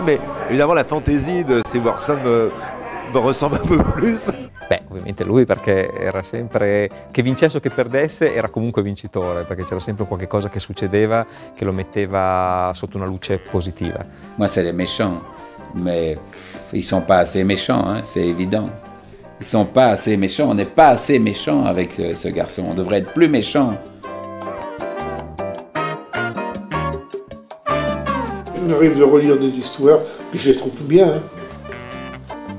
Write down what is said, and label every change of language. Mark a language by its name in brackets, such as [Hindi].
[French] Mais évidemment, la fantaisie de Steve Warson me ressemble un peu plus. [Italian] Beh, ovviamente lui, perché era sempre, che vincesse o che perdesse, era comunque vincitore, perché c'era sempre qualche cosa che succedeva che lo metteva sotto una luce positiva. [French] Moi, c'est les méchants, mais ils sont pas assez méchants, hein, c'est évident. Ils sont pas assez méchants, on n'est pas assez méchants avec ce garçon, on devrait être plus méchants. Il m'arrive de relire des histoires, puis je les trouve bien, hein.